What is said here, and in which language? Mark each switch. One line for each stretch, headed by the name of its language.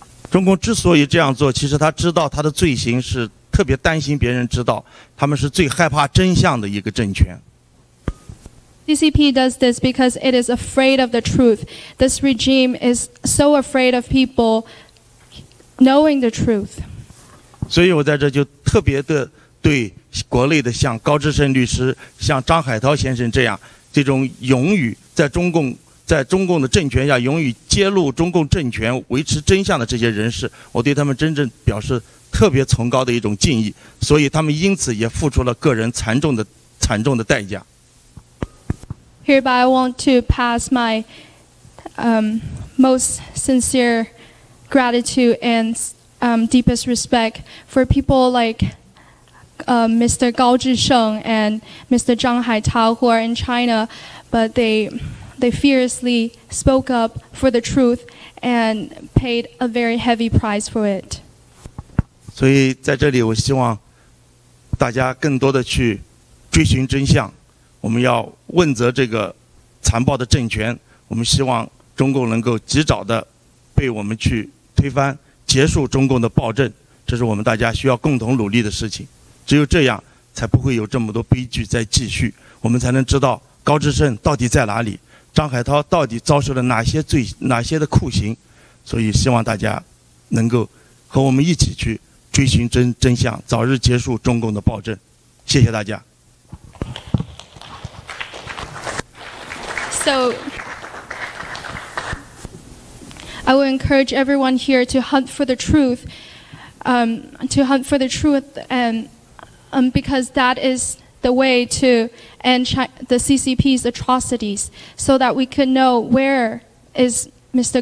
Chinese: 中共之所以这样做，其实他知道他的罪行是特别担心别人知道，他们是最害怕真相的一个政权。
English: CCP does this because it is afraid of the truth. This regime is so afraid of people knowing the truth.
Chinese: 所以我在这就特别的对国内的像高志胜律师、像张海涛先生这样，这种勇于在中共的政权下勇于揭露中共政权、维持真相的这些人士，我对他们真正表示特别崇高的一种敬意。所以他们因此也付出了个人惨重的代价。
English: Hereby, I want to pass my most sincere gratitude and deepest respect for people like Mr. Gao Zhisheng and Mr. Zhang Haitao, who are in China, but they fiercely spoke up for the truth and paid a very heavy price for it.
Chinese: 所以在这里，我希望大家更多的去追寻真相。我们要问责这个残暴的政权，我们希望中共能够及早的被我们去推翻，结束中共的暴政，这是我们大家需要共同努力的事情。只有这样，才不会有这么多悲剧在继续，我们才能知道高志胜到底在哪里，张海涛到底遭受了哪些罪、哪些的酷刑。所以希望大家能够和我们一起去追寻真相，早日结束中共的暴政。谢谢大家。
English: So, I would encourage everyone here to hunt for the truth, and because that is the way to end the CCP's atrocities, so that we can know where is Mr.